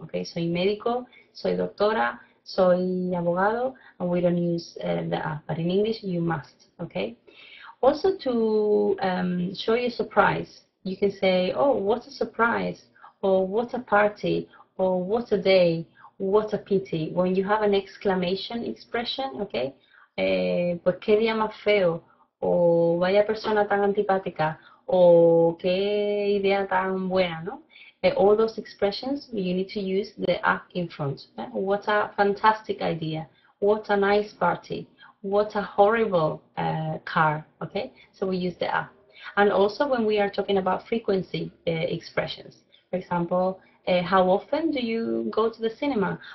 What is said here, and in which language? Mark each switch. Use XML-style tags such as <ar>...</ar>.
<en>Okay,</en> <es>soy médico, soy doctora, soy abogado,</es> <en>and we don't use the a. But in English, you must. Okay, also to show your surprise, you can say, oh, what a surprise, or what a party, or what a day. What a pity, when you have an exclamation expression, okay?</en> <es>Pues qué día más feo, o vaya persona tan antipática, o qué idea tan buena, no?</es> <en>All those expressions, you need to use the a in front. Okay? What a fantastic idea, what a nice party, what a horrible car, okay? So we use the a. And also when we are talking about frequency expressions, for example, how often do you go to the cinema?</en>